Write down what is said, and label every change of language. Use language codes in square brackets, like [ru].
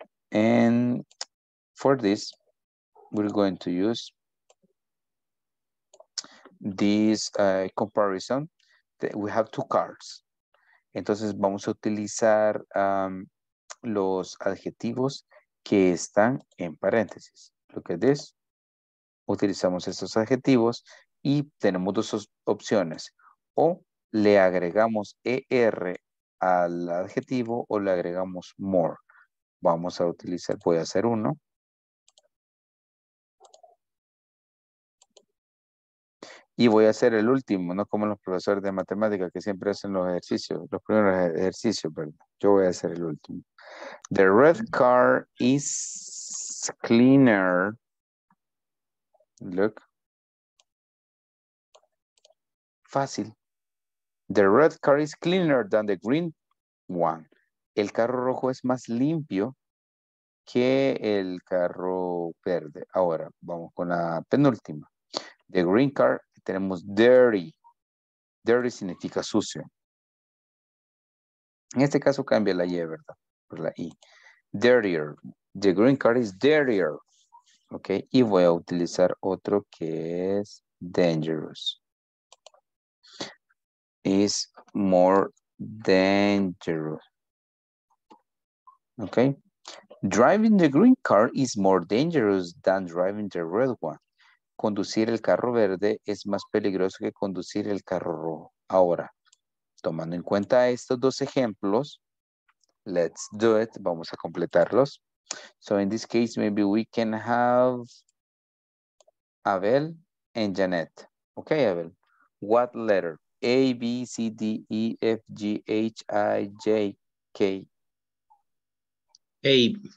[en] And for this, we're going to use this comparison. We have two cars. [es] Entonces vamos a utilizar los adjetivos que están en paréntesis. [en] Look at this. [es] Utilizamos estos adjetivos y tenemos dos opciones. O le agregamos ER al adjetivo o le agregamos more. Vamos a utilizar, voy a hacer uno. Y voy a hacer el último, no como los profesores de matemáticas que siempre hacen los ejercicios, los primeros ejercicios, perdón. Yo voy a hacer el último. [en] The red car is cleaner. Look. [es] Fácil. [en] The red car is cleaner than the green one. [es] El carro rojo es más limpio que el carro verde. Ahora, vamos con la penúltima. [en] The green car, [es] tenemos dirty. Dirty significa sucio. En este caso cambia la Y, ¿verdad? Por la I. Dirtier. [en] The green car is dirtier. [es] Ok, y voy a utilizar otro que es dangerous. [en] Is more dangerous. Okay. Driving the green car is more dangerous than driving the red one. [es] Conducir el carro verde es más peligroso que conducir el carro rojo. Ahora, tomando en cuenta estos dos ejemplos, [en] let's do it. [es] Vamos a completarlos. [en] So in this case, maybe we can have Abel and Janet. Okay, Abel. What letter? A, B, C, D, E, F, G, H, I, J, K. A.